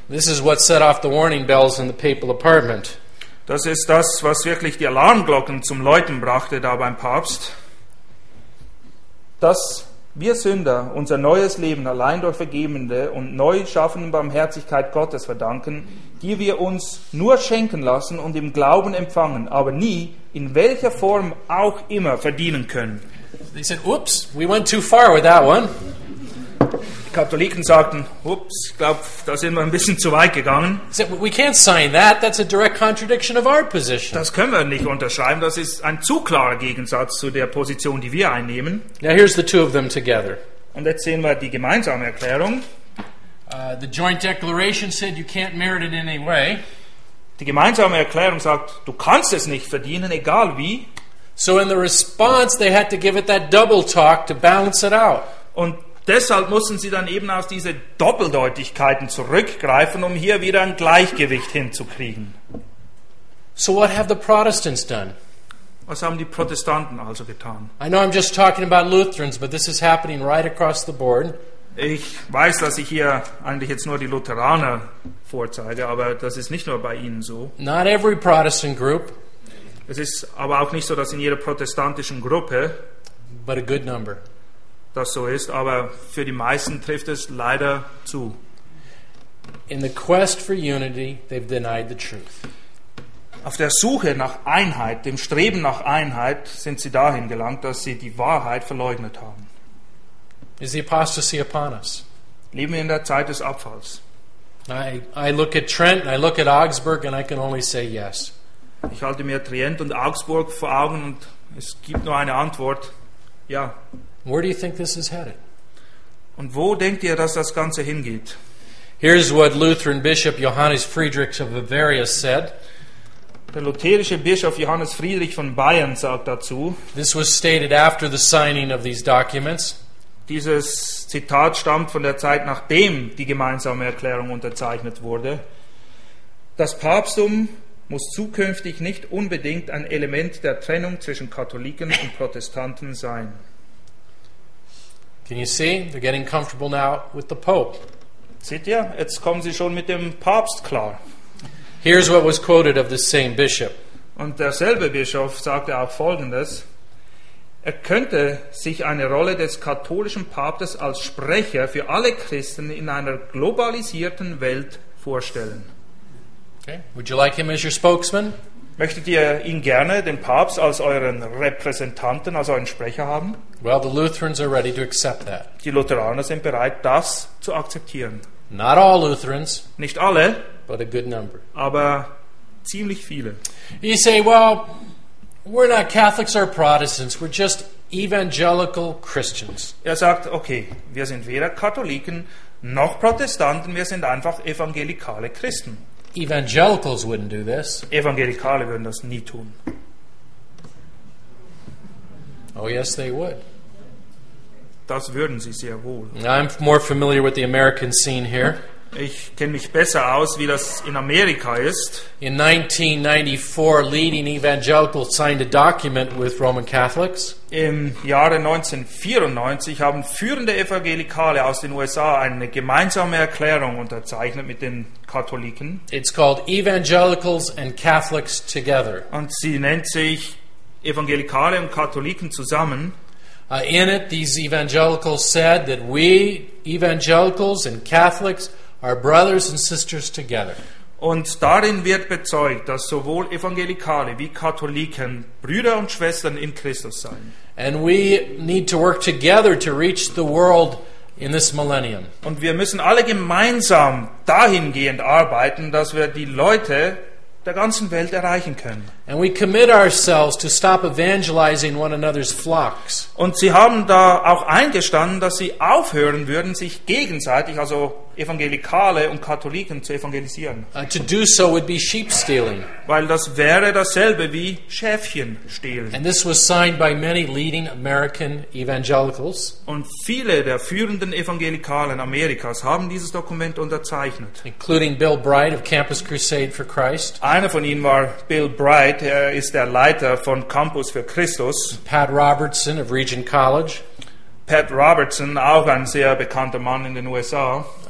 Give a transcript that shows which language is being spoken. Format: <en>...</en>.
<en>This is what set off the warning bells in the papal apartment.</en> <de>Das ist das, was wirklich die Alarmglocken zum Läuten brachte da beim Papst. Dass wir Sünder unser neues Leben allein durch vergebende und neu schaffende Barmherzigkeit Gottes verdanken, die wir uns nur schenken lassen und im Glauben empfangen, aber nie in welcher Form auch immer verdienen können.</de> <en>They said, "Oops, we went too far with that one."</en> <de>Die Katholiken sagten, "Oops, ich glaube, da sind wir ein bisschen zu weit gegangen."</de> <en>They said, "We can't sign that. That's a direct contradiction of our position."</en> <de>Das können wir nicht unterschreiben. Das ist ein zu klarer Gegensatz zu der Position, die wir einnehmen.</de> <en>Now here's the two of them together.</en> <de>Und jetzt sehen wir die gemeinsame Erklärung.</de> <en>The joint declaration said you can't merit it in any way.</en> <de>Die gemeinsame Erklärung sagt, du kannst es nicht verdienen, egal wie.</de> <en>So in the response they had to give it that double talk to balance it out.</en> <de>Und deshalb mussten sie dann eben auf diese Doppeldeutigkeiten zurückgreifen, um hier wieder ein Gleichgewicht hinzukriegen.</de> <en>So what have the Protestants done?</en> <de>Was haben die Protestanten also getan?</de> <en>I know I'm just talking about Lutherans, but this is happening right across the board.</en> <de>Ich weiß, dass ich hier eigentlich jetzt nur die Lutheraner vorzeige, aber das ist nicht nur bei ihnen so.</de> <en>Not every Protestant group.</en> <de>Es ist aber auch nicht so, dass in jeder protestantischen Gruppe</de> <en>but a good number.</en> <de>Das so ist, aber für die meisten trifft es leider zu.</de> <en>In the quest for unity, they've denied the truth.</en> <de>Auf der Suche nach Einheit, dem Streben nach Einheit, sind sie dahin gelangt, dass sie die Wahrheit verleugnet haben.</de> <en>Is the apostasy upon us?</en> <de>Leben wir in der Zeit des Abfalls?</de> <en>I look at Trent, I look at Augsburg, and I can only say yes.</en> <de>Ich halte mir Trent und Augsburg vor Augen und es gibt nur eine Antwort: ja.</de> <en>Where do you think this is headed?</en> <de>Und wo denkt ihr, dass das Ganze hingeht?</de> <en>Here's what Lutheran Bishop Johannes Friedrich of Bavaria said.</en> <de>Der lutherische Bischof Johannes Friedrich von Bayern sagt dazu. This was stated after the signing of these documents. Dieses Zitat stammt von der Zeit, nachdem die gemeinsame Erklärung unterzeichnet wurde. Das Papsttum muss zukünftig nicht unbedingt ein Element der Trennung zwischen Katholiken und Protestanten sein.</de> <en>Can you see? They're getting comfortable now with the Pope.</en> <de>Seht ihr? Jetzt kommen sie schon mit dem Papst klar.</de> <en>Here's what was quoted of the same bishop.</en> <de>Und derselbe Bischof sagte auch Folgendes. Er könnte sich eine Rolle des katholischen Papstes als Sprecher für alle Christen in einer globalisierten Welt vorstellen.</de> <en>Okay. Would you like him as your spokesman?</en> <de>Möchtet ihr ihn gerne, den Papst, als euren Repräsentanten, als euren Sprecher haben?</de> <en>Well, the Lutherans are ready to accept that.</en> <de>Die Lutheraner sind bereit, das zu akzeptieren.</de> <en>Not all Lutherans,</en> <de>nicht alle,</de> <en>but a good number.</en> <de>Aber ziemlich viele.</de> <en>You say, well, we're not Catholics or Protestants, we're just evangelical Christians.</en> <de>Er sagt, okay, wir sind weder Katholiken noch Protestanten, wir sind einfach evangelikale Christen.</de> <en>Evangelicals wouldn't do this.</en> <de>Evangelikale würden das nie tun.</de> <en>Oh yes, they would.</en> <de>Das würden sie sehr wohl.</de> <en>I'm more familiar with the American scene here.</en> <de>Ich kenne mich besser aus, wie das in Amerika ist.</de> <en>In 1994, leading evangelicals signed a document with Roman Catholics.</en> <de>Im Jahre 1994 haben führende Evangelikale aus den USA eine gemeinsame Erklärung unterzeichnet mit den Katholiken.</de> <en>It's called Evangelicals and Catholics Together.</en> <de>Und sie nennt sich Evangelikale und Katholiken zusammen.</de> <en>In it, these evangelicals said that we, evangelicals and Catholics, our brothers and sisters together.</en> <de>Und darin wird bezeugt, dass sowohl Evangelikale wie Katholiken Brüder und Schwestern in Christus seien.</de> <en>And we need to work together to reach the world in this millennium.</en> <de>Und wir müssen alle gemeinsam dahingehend arbeiten, dass wir die Leute der ganzen Welt erreichen können.</de> <en>And we commit ourselves to stop evangelizing one another's flocks.</en> <de>Und sie haben da auch eingestanden, dass sie aufhören würden, sich gegenseitig, also Evangelikale und Katholiken, zu evangelisieren.</de> <en>To do so would be sheep stealing.</en> <de>Weil das wäre dasselbe wie Schäfchen stehlen.</de> <en>And this was signed by many leading American evangelicals.</en> <de>Und viele der führenden Evangelikalen Amerikas haben dieses Dokument unterzeichnet.</de> <en>Including Bill Bright of Campus Crusade for Christ.</en> <de>Einer von ihnen war Bill Bright, er ist der Leiter von Campus für Christus.</de> <en>Pat Robertson of Regent College.</en> <de>Pat Robertson, auch ein sehr bekannter Mann in den USA.</de>